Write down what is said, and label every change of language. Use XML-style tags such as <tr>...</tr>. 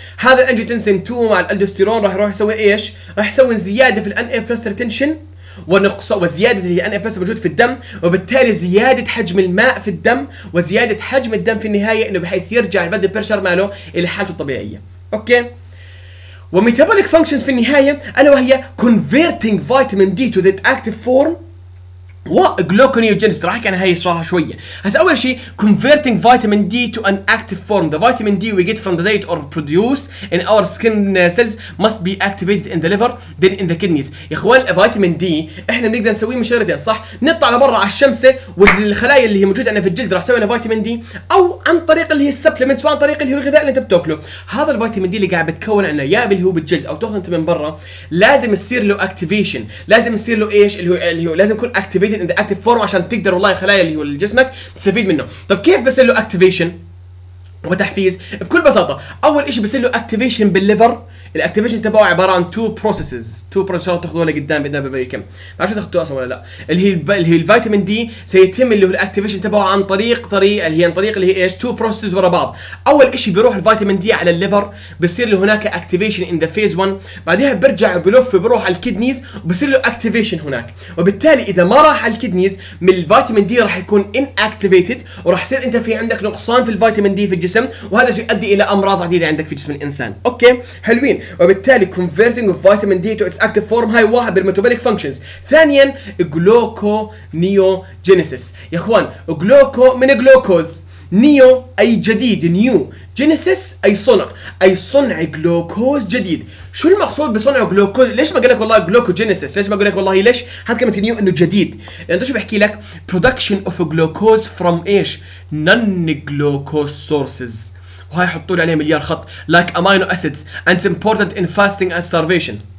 <ar>هذا الانجيوتنسين 2 مع الالدوستيرون راح يروح يسوي ايش؟ راح يسوي زياده في الان اي بلس ريتنشن ونقص وزياده الان اي بلس موجود في الدم، وبالتالي زياده حجم الماء في الدم وزياده حجم الدم في النهايه انه بحيث يرجع البلد بريشر ماله الى حالته الطبيعيه، اوكي. وميتابوليك فانكشنز في النهايه الا وهي</ar> <en>converting vitamin D to that active form</en> <ar>وغلوكونيوجينيسيس، راح كان هاي صراحه شويه. هسه اول شيء</ar> <en>converting vitamin D to an active form. The vitamin D we get from the diet or produce in our skin cells must be activated in the liver then in the kidneys.</en> <ar>يا اخوان الفيتامين دي احنا بنقدر نسويه من شغلتين، صح؟ نطلع لبرا على الشمس والخلايا اللي هي موجوده عندنا في الجلد راح تسوي لنا فيتامين دي، او عن طريق اللي هي السبلمنتس وعن طريق اللي هو الغذاء اللي انت بتاكله. هذا الفيتامين دي اللي قاعد بتكون عندنا يا اللي هو بالجلد او تاخذه من برا لازم يصير له activation، لازم يصير له ايش اللي هو لازم يكون</ar> <en>activation in the active form</en> <ar>عشان تقدر والله خلايا اللي هو جسمك تستفيد منه. طب كيف بسله activation وتحفيز؟ بكل بساطة أول إشي بسله activation بالليفر. الاكتيفيشن تبعه عبارة عن</ar> <en>two processes</en> <ar>اللي تاخذوها لقدام بإذن الله بيكم، ما عرفت تاخذوها أصلا ولا لا. اللي هي الفيتامين دي سيتم اللي هو الاكتيفيشن تبعه عن طريق طريق اللي هي two processes ورا بعض. أول إشي بيروح الفيتامين دي على الليفر، بصير له هناك</ar> <en>activation in the phase one،</en> <ar>بعدها برجع بلف بروح على الكيدنيز وبصير له activation هناك. وبالتالي إذا ما راح على الكيدنيز من الفيتامين دي راح يكون inactivated وراح يصير أنت في عندك نقصان في الفيتامين دي في الجسم، وهذا الشيء يؤدي إلى أمراض عديدة عندك في جسم الإنسان، أوكي. حلوين. وبالتالي</ar> <en>converting of vitamin D to its active form</en> <ar>هاي واحد بالmetabolic functions. ثانيا gluconeogenesis. يا اخوان glucose من glucose، neo اي جديد، new، genesis اي صنع، اي صنع جلوكوز جديد. شو المقصود بصنع جلوكوز؟ ليش ما اقول لك والله glucogenesis؟ ليش ما اقول لك والله ليش هات كلمه نيو انه جديد؟ لان شو بحكي لك؟</ar> <en>production of glucose from</en> <ar>ايش؟</ar> <en>non glucose sources،</en> <ar>وهي حطوا لي عليه مليار خط</ar> <en>like amino acids and it's important in fasting and starvation.</en>